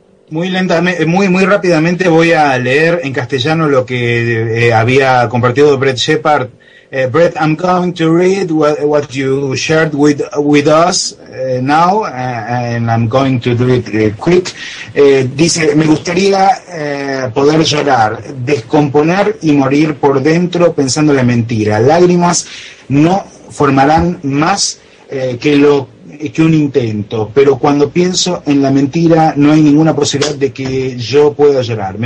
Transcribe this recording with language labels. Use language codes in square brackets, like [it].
[es] Muy lentamente, muy rápidamente voy a leer en castellano lo que había compartido Brett Shepard. [en] Brett, I'm going to read what you shared with us now, and I'm going to do it quick. [es] Dice, me gustaría poder llorar, descomponer y morir por dentro pensando la mentira. Lágrimas no formarán más que un intento, pero cuando pienso en la mentira no hay ninguna posibilidad de que yo pueda llorar.